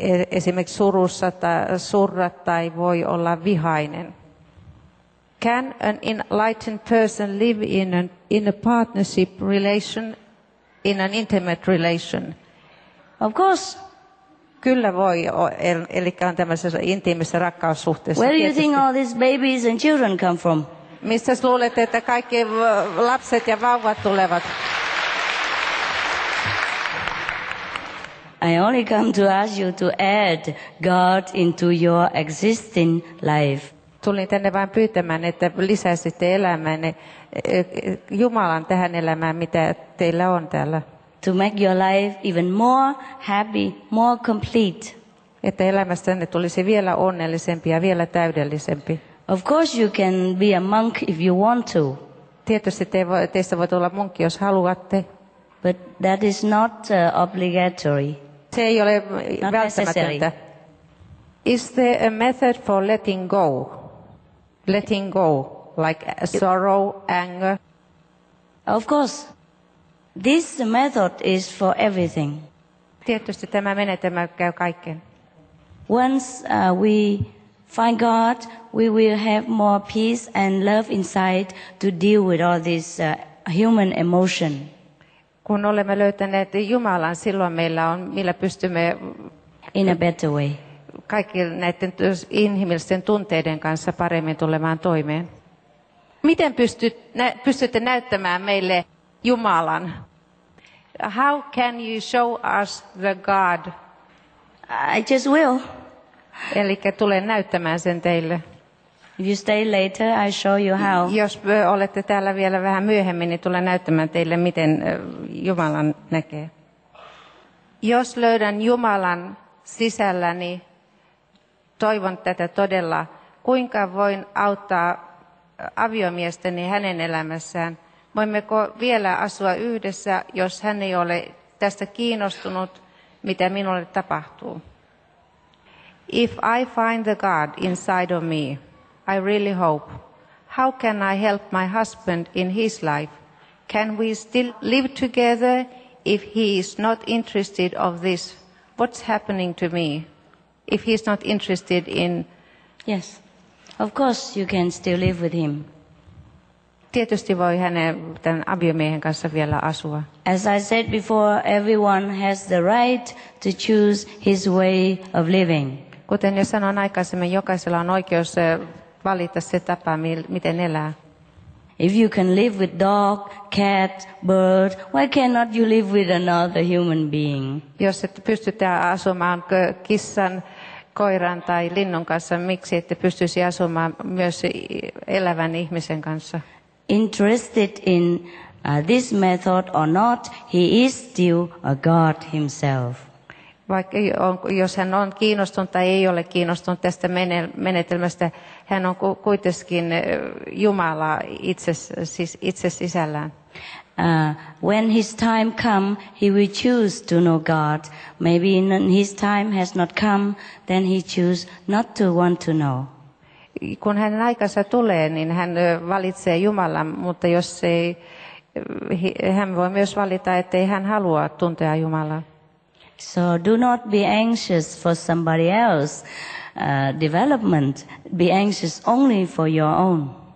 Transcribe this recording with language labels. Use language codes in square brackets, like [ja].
[fi] Esimerkiksi surussa tai surra tai voi olla vihainen. [en] Can an enlightened person live in a partnership relation, in an intimate relation? Of course. [fi] Kyllä voi, eli on tämmöisessä intiimissä rakkaussuhteessa. [en] Where do you think all these babies and children come from? [fi] Mistä luulet, että kaikki lapset ja vauvat tulevat? [en] I only come to ask you to add God into your existing life. [fi] Tulin tänne vain pyytämään, että lisäisitte elämäänne Jumalan tähän elämään, mitä teillä on täällä. [en] To make your life even more happy, more complete. [fi] Että elämästänne tulisi vielä onnellisempi ja vielä täydellisempi. [en] Of course you can be a monk if you want to. [fi] Tietysti teistä voi tulla munkki, jos haluatte. [en] But that is not obligatory. [fi] Se ei ole välttämätöntä. [en] Is there a method for letting go? Letting go, like sorrow, anger? Of course. This method is for everything. [fi] Tietysti tämä menetelmä käy kaikkeen. [en] Once we find God, we will have more peace and love inside to deal with all this human emotion. [fi] Kun olemme löytäneet Jumalan, silloin meillä on, millä pystymme [en] in a better way. [fi] Kaikki näiden inhimillisten tunteiden kanssa paremmin tulemaan toimeen. Miten pystytte näyttämään meille Jumalan? [en] How can you show us the God? I just will. [fi] Elikkä tulen näyttämään sen teille. [en] If you stay later, I show you how. [fi] Jos olette täällä vielä vähän myöhemmin, niin tulen näyttämään teille, miten Jumalan näkee. Jos löydän Jumalan sisälläni, toivon tätä todella, kuinka voin auttaa aviomiestäni hänen elämässään? Voimmeko vielä asua yhdessä, jos hän ei ole tästä kiinnostunut, mitä minulle tapahtuu? [en] If I find the God inside of me, I really hope. How can I help my husband in his life? Can we still live together if he is not interested of this? What's happening to me if he's not interested in... Yes, of course you can still live with him. [fi] Tietysti voi tämän aviomiehen kanssa vielä asua. [en] As I said before, everyone has the right to choose his way of living. [fi] Kuten jo sanoin aikaisemmin, jokaisella on oikeus valita se tapa, miten elää. [en] If you can live with dog, cat, bird, why cannot you live with another human being? [fi] Jos et pysty asumaan kissan, koiran tai linnun kanssa, miksi ette pystyisi asumaan myös elävän ihmisen kanssa? [en] Interested in this method or not, he is still a god himself. [fi] Vaikka jos hän on kiinnostunut tai ei ole kiinnostunut tästä menetelmästä, hän on kuitenkin Jumala itse sisällään. [en] When his time come, he will choose to know God. Maybe his time has not come, then he choose not to want to know. [fi] Kun hänen aikansa tulee, niin hän valitsee Jumalan, mutta jos ei, hän voi myös valita, ettei hän halua tuntea Jumalaa. [en] So do not be anxious for somebody else's development. Be anxious only for your own.